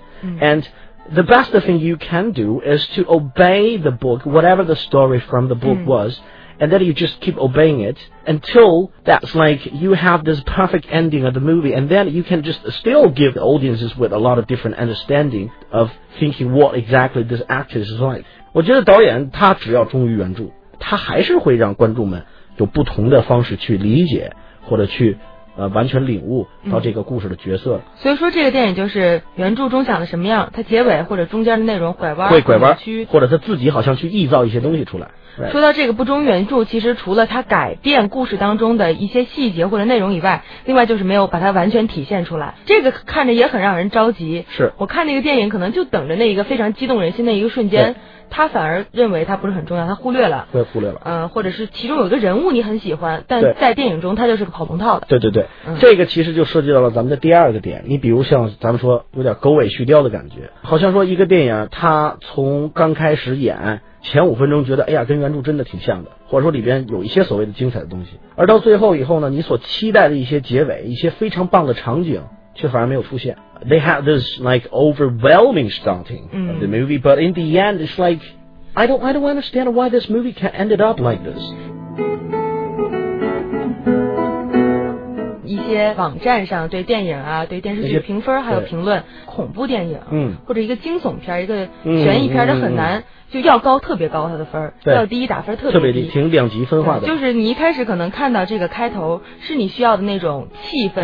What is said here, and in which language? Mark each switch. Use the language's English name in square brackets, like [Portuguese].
[English] And the best thing you can do is to obey the book, whatever the story from the book was, and then you just keep obeying it until that's like you have this perfect ending of the movie and then you can just still give the audiences with a lot of different understanding of thinking what exactly this actor is like. [Chinese] 我觉得导演他只要忠于原著，他还是会让观众们有不同的方式去理解或者去完全领悟到这个故事的角色。所以说这个电影就是原著中想的什么样，它结尾或者中间的内容拐弯会拐弯，或者他自己好像去臆造一些东西出来。 [English] Right. [Chinese] 说到这个不忠原著，其实除了它改变故事当中的一些细节或者内容以外，另外就是没有把它完全体现出来，这个看着也很让人着急。是我看那个电影可能就等着那一个非常激动人心的一个瞬间，他反而认为他不是很重要，他忽略了或者是其中有一个人物你很喜欢，但在电影中他就是个跑龙套的。对对对，这个其实就涉及到了咱们的第二个点，你比如像咱们说有点狗尾续貂的感觉，好像说一个电影他从刚开始演前五分钟觉得哎呀跟原著真的挺像的，或者说里边有一些所谓的精彩的东西，而到最后以后呢，你所期待的一些结尾一些非常棒的场景却反而没有出现。 [English] They have this like overwhelming starting of the movie, but in the end, it's like I don't understand why this movie can ended up like this. [Chinese] 一些网站上对电影啊、对电视剧评分还有评论，恐怖电影，或者一个惊悚片、一个悬疑片的很难。就要高特别高它的分，要低打分特别低，挺两极分化的。就是你一开始可能看到这个开头是你需要的那种气氛